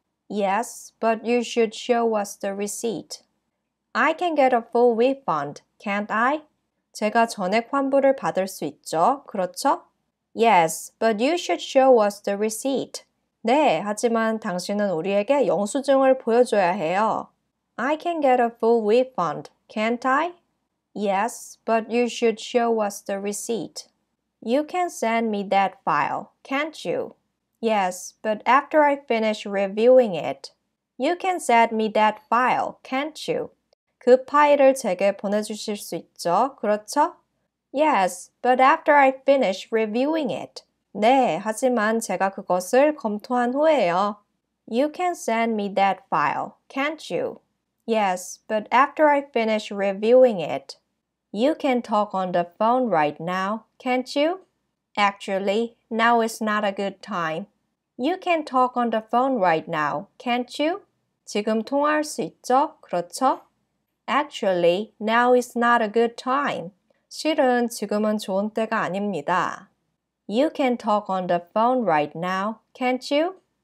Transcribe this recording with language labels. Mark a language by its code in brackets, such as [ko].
[en] Yes, but you should show us the receipt. I can get a full refund, can't I? [ko] 제가 전액 환불을 받을 수 있죠, 그렇죠? [en] Yes, but you should show us the receipt. [ko] 네, 하지만 당신은 우리에게 영수증을 보여줘야 해요. [en] I can get a full refund, can't I? Yes, but you should show us the receipt. You can send me that file, can't you? Yes, but after I finish reviewing it. You can send me that file, can't you? [ko] 그 파일을 제게 보내주실 수 있죠, 그렇죠? [en] Yes, but after I finish reviewing it. [ko] 네, 하지만 제가 그것을 검토한 후에요. [en] You can send me that file, can't you? Yes, but after I finish reviewing it. You can talk on the phone right now, can't you? Actually, now is not a good time. You can talk on the phone right now, can't you? [ko] 지금 통화할 수 있죠, 그렇죠? [en] Actually, now is not a good time. [ko] 실은 지금은 좋은 때가 아닙니다. [en] You can talk on the phone right now, can't you?